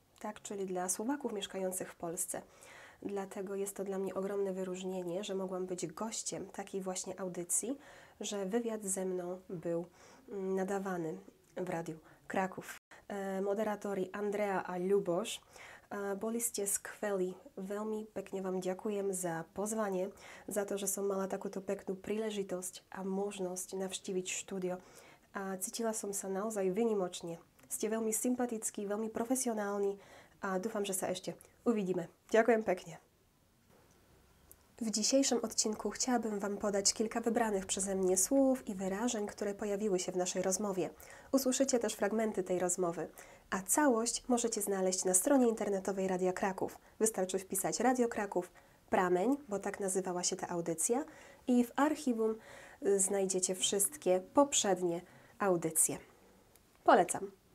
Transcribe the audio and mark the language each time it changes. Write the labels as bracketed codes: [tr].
[pl] Tak, czyli dla Słowaków mieszkających w Polsce. Dlatego jest to dla mnie ogromne wyróżnienie, że mogłam być gościem takiej właśnie audycji, że wywiad ze mną był nadawany w Radiu Kraków. [sk] Moderatori Andrea a Ljubosz, boliście skveli. Veľmi pekne vám ďakujem za pozvanie, za to, že som mala takúto peknú príležitosť a možnosť navštíviť štúdio. A cítila som sa naozaj vynimočne. Ste veľmi sympatickí, veľmi profesionálni a dúfam, že sa ešte uvidíme. Ďakujem pekne. [pl] V dzisiejszym odcinku chciałabym Wam podać kilka wybranych przeze mnie słów i wyrażeń, które pojawiły się w naszej rozmowie. Usłyszycie też fragmenty tej rozmowy, a całość możecie znaleźć na stronie internetowej Radia Kraków. Wystarczy wpisać Radio Kraków, Prameń, bo tak nazywała się ta audycja, i w archiwum znajdziecie wszystkie poprzednie audycje. Polecam.